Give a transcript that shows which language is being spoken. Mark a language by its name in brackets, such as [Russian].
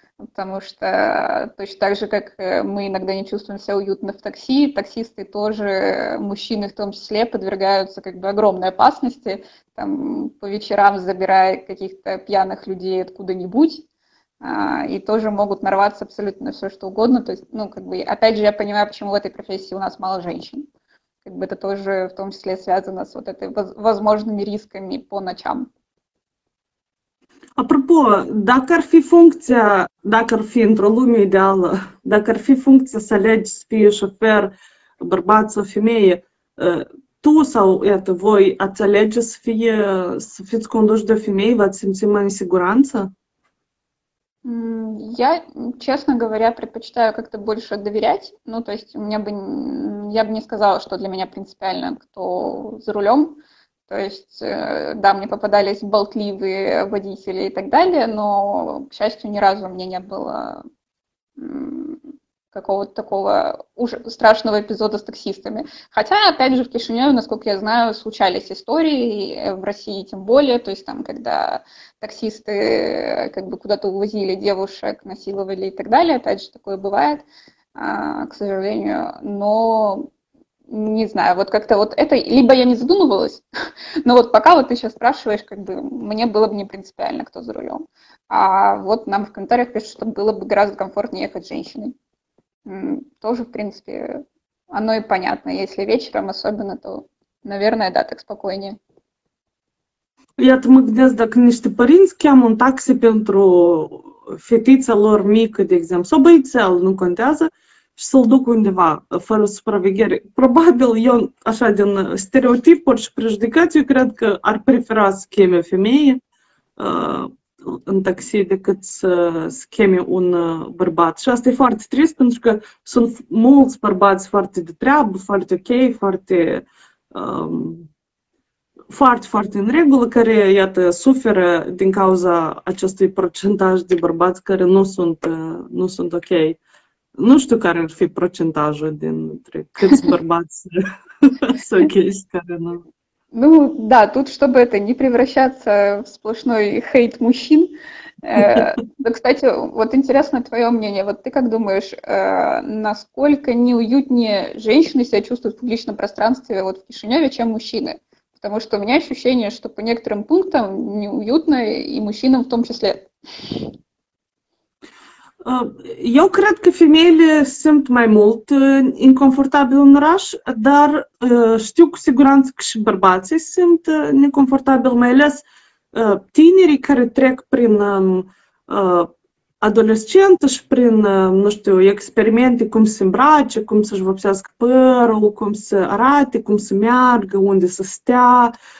[Russian] потому что точно так же, как мы иногда не чувствуем себя уютно в такси, таксисты тоже, мужчины в том числе, подвергаются как бы огромной опасности, там, по вечерам забирая каких-то пьяных людей откуда-нибудь, и тоже могут нарваться абсолютно на все, что угодно. То есть, ну, как бы, опять же, я понимаю, почему в этой профессии у нас мало женщин. Как бы это тоже в том числе связано с вот этой возможными рисками по ночам. [Romanian] Apropo, dacă ar fi funcția, dacă ar fi într-o lume ideală, dacă ar fi funcția să alegi să fie șofer, bărbat sau femeie, tu sau iată, voi ați alege să fiți conduși de o femeie, v-ați simți mai în siguranță? [Russian] Я, честно говоря, предпочитаю как-то больше доверять. Ну, то есть, я бы не сказала, что для меня принципиально, кто за рулем. То есть, да, мне попадались болтливые водители и так далее, но, к счастью, ни разу у меня не было какого-то такого страшного эпизода с таксистами. Хотя, опять же, в Кишиневе, насколько я знаю, случались истории, в России тем более, то есть там, когда таксисты как бы куда-то увозили девушек, насиловали и так далее, опять же, такое бывает, к сожалению, но не знаю, вот как-то вот это, либо я не задумывалась, но вот пока вот ты сейчас спрашиваешь, как бы мне было бы не принципиально, кто за рулем. А вот нам в комментариях пишут, что было бы гораздо комфортнее ехать с женщиной. Тоже, в принципе, оно и понятно. Если вечером особенно, то, наверное, да, так спокойнее. [Romanian] Iată, mă gândesc dacă niște părinți cheamă un taxi pentru fetița lor mică, de exemplu, sau băiețel, nu contează, și să-l duc undeva, fără supraveghere. Probabil, eu, așa, din stereotipuri și prejudecăți, eu cred că ar prefera să cheme o femeie în taxi decât să cheme un bărbat. Și asta e foarte trist, pentru că sunt mulți bărbați foarte de treabă, foarte ok, foarte, foarte în regulă, care, iată, suferă din cauza acestui procentaj de bărbați care nu sunt ok. Nu știu care ar fi procentajul dintre câți bărbați sunt ok și care nu. [Russian] Ну, да, тут, чтобы это не превращаться в сплошной хейт мужчин. Да, кстати, вот интересно твое мнение. Вот ты как думаешь, насколько неуютнее женщины себя чувствуют в публичном пространстве, вот в Кишиневе, чем мужчины? Потому что у меня ощущение, что по некоторым пунктам неуютно и мужчинам в том числе. [Romanian] Eu cred că femeile simt mai mult inconfortabil în oraș, dar știu cu siguranță că și bărbații simt neconfortabil, mai ales tinerii care trec prin adolescență și prin, nu știu, experimente cum se îmbrace, cum să-și vopsească părul, cum să arate, cum să meargă, unde să stea.